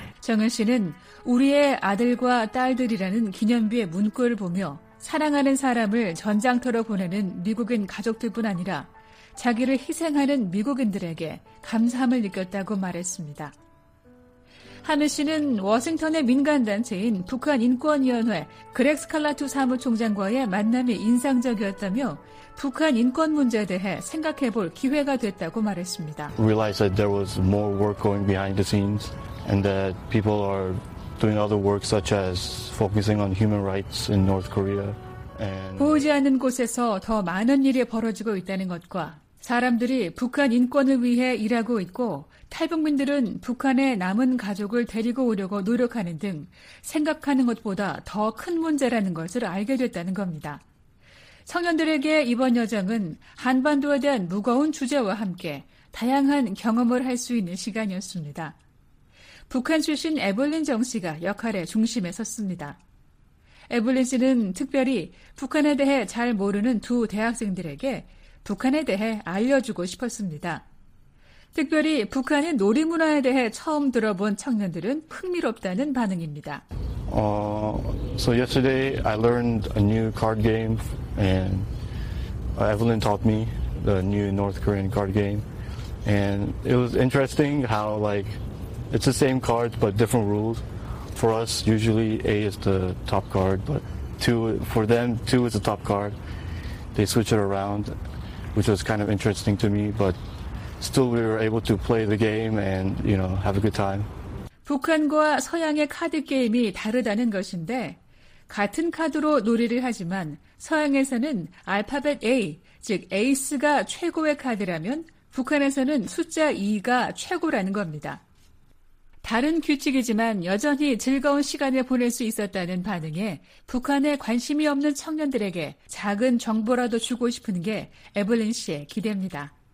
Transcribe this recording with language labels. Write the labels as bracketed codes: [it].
[ko] 정은 씨는 우리의 아들과 딸들이라는 기념비의 문구를 보며 사랑하는 사람을 전장터로 보내는 미국인 가족들뿐 아니라 자기를 희생하는 미국인들에게 감사함을 느꼈다고 말했습니다. 한은 씨는 워싱턴의 민간단체인 북한인권위원회 그렉 스칼라투 사무총장과의 만남이 인상적이었다며 북한 인권 문제에 대해 생각해 볼 기회가 됐다고 말했습니다. [en] Realized that there was more work going behind the scenes and that people are doing other work such as focusing on human rights in North Korea. [ko] 보이지 않는 곳에서 더 많은 일이 벌어지고 있다는 것과 사람들이 북한 인권을 위해 일하고 있고 탈북민들은 북한의 남은 가족을 데리고 오려고 노력하는 등 생각하는 것보다 더 큰 문제라는 것을 알게 됐다는 겁니다. 청년들에게 이번 여정은 한반도에 대한 무거운 주제와 함께 다양한 경험을 할 수 있는 시간이었습니다. 북한 출신 에블린 정 씨가 역할의 중심에 섰습니다. 에블린 씨는 특별히 북한에 대해 잘 모르는 두 대학생들에게 북한에 대해 알려주고 싶었습니다. 특별히 북한의 놀이문화에 대해 처음 들어본 청년들은 흥미롭다는 반응입니다. [en] So yesterday I learned a new card game and Evelyn taught me the new North Korean card game. And it was interesting how like it's the same cards but different rules. For us usually A is the top card but for them two is the top card. They switch it around which was kind of interesting to me but still we were able to play the game and you know have a good time. [ko] 북한과 서양의 카드 게임이 다르다는 것인데 같은 카드로 놀이를 하지만 서양에서는 알파벳 A, 즉 에이스가 최고의 카드라면 북한에서는 숫자 2가 최고라는 겁니다. 다른 규칙이지만 여전히 즐거운 시간을 보낼 수 있었다는 반응에 북한에 관심이 없는 청년들에게 작은 정보라도 주고 싶은 게 에블린 씨의 기대입니다.